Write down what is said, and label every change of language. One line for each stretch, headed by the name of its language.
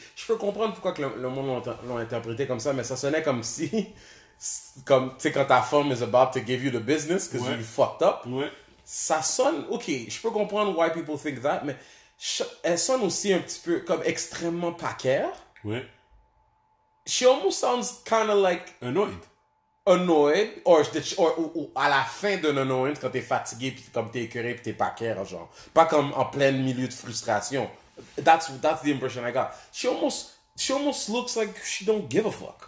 French: Je peux comprendre pourquoi que le monde l'ont interprété comme ça, mais ça sonnait comme si... Comme, tu sais, quand ta femme
English: is about to give you the business because you fucked up.
French: Ouais. Ça sonne... Ok, je peux comprendre
English: why people think that,
French: mais elle sonne aussi un petit peu comme extrêmement paquère. Ouais.
English: She almost sounds kind of like... Annoyed.
French: Or à la fin d'un annoyed, quand t'es fatigué, puis comme t'es écœuré, puis t'es pas care, genre. Pas comme en plein milieu de frustration.
English: That's the impression I got. She almost looks like she don't give a fuck.